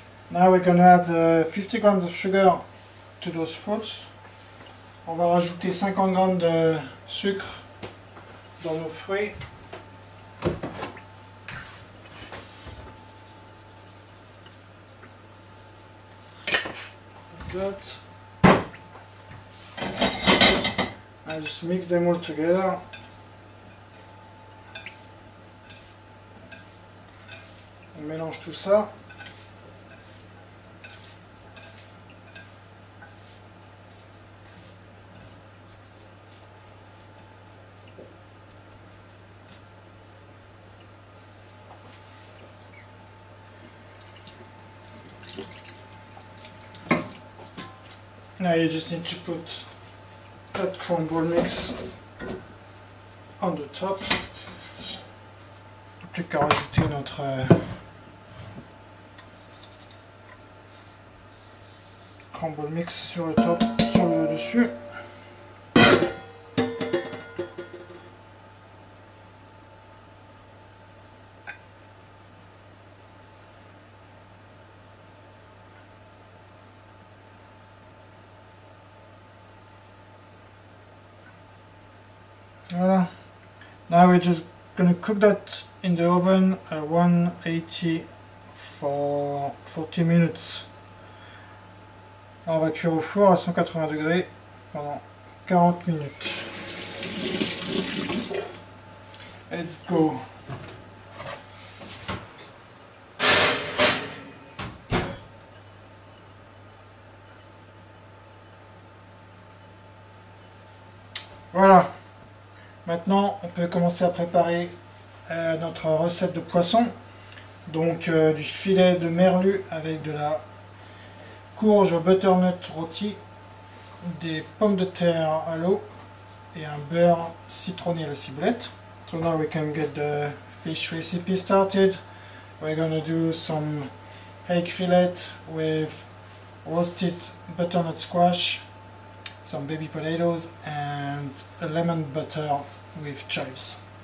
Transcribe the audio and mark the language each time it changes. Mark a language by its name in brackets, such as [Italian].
[English] Now we're gonna add 50 grams of sugar to those fruits. [French] On va rajouter 50 grammes de sucre dans nos fruits. [English] Good. I just mix them all together. [French] On mélange tout ça. [English] Now you just need to put that crumble mix on the top. [French] Plus qu'à rajouter notre crumble mix sur le top, sur le dessus. Voilà. [English] Now we're just gonna cook that in the oven at 180 for 40 minutes. [French] On va cuire au four à 180 degrés pendant 40 minutes. [English] Let's go. [French] Voilà. Maintenant, on peut commencer à préparer notre recette de poisson. Donc, du filet de merlu avec de la courge butternut rôti, des pommes de terre à l'eau et un beurre citronné à la ciboulette. [English] So now we can get the fish recipe started. We're gonna do some hake fillet with roasted butternut squash, some baby potatoes, and a lemon butter with chives.